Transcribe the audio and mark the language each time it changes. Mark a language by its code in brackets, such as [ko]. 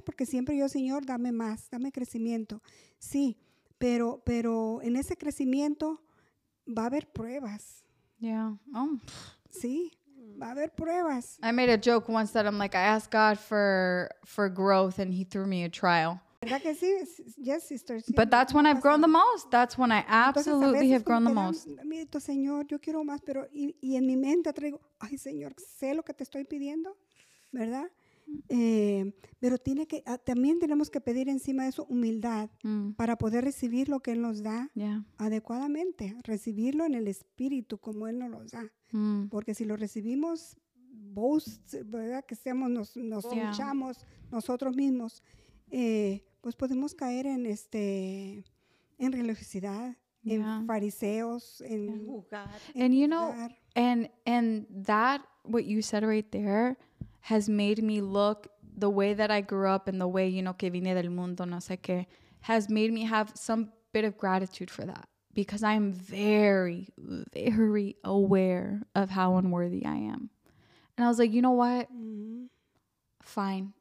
[es] Porque siempre yo, Señor, dame más, dame crecimiento. Sí, pero en ese crecimiento va a haber pruebas. [en] Yeah. Oh. [es] Sí, va a haber pruebas. [en] I made a joke once that I'm like, I asked God for growth and he threw me a trial. Yes, sister. But that's when I've grown the most. That's when I absolutely have grown the most. [es] Mira, Señor, yo quiero más, pero y en mi mente traigo, ay, Señor, sé lo que te estoy pidiendo, ¿verdad? Pero tiene que también tenemos que pedir encima de eso humildad para poder recibir lo que Él nos da adecuadamente, recibirlo en el espíritu como Él nos lo da. Porque si lo recibimos boasts, ¿verdad? Que seamos nos hinchamos nosotros mismos. Pues podemos caer en en religiosidad, en fariseos, en juzgar. [en] And you know, and that, what you said right there, has made me look the way that I grew up and the way, you know, que vine del mundo, no sé qué, has made me have some bit of gratitude for that. Because I'm very, very aware of how unworthy I am. And I was like, you know what? Fine.